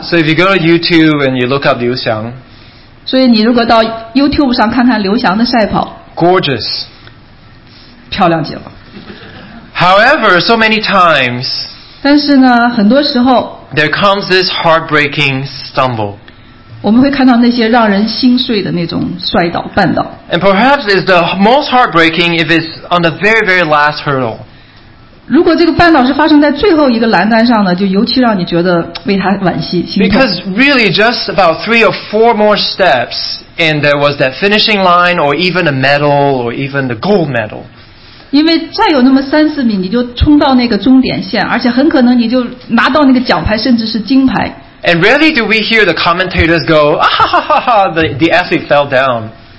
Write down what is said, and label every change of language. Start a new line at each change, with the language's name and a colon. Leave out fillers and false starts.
English: So if you go to YouTube and you look up Liu Xiang,
Chinese: 所以你如果到 YouTube 上看看刘翔的赛跑，
English: gorgeous，
Chinese: 漂亮极了。
English: However, so many times，
Chinese: 但是呢，很多时候，
English: there comes this heartbreaking stumble，
Chinese: 我们会看到那些让人心碎的那种摔倒绊倒。
English: And perhaps it's the most heartbreaking if it's on the very very last hurdle，
Chinese: 如果这个绊倒是发生在最后一个栏杆上呢，就尤其让你觉得为他惋惜心痛。
English: Because really, just about three or four more steps, and there was that finishing line, or even a medal, or even the gold medal.
Chinese: 因为再有那么三四米，你就冲到那个终点线，而且很可能你就拿到那个奖牌，甚至是金牌。
English: And rarely do we hear the commentators go, ah, ha, ha, ha, the athlete fell down.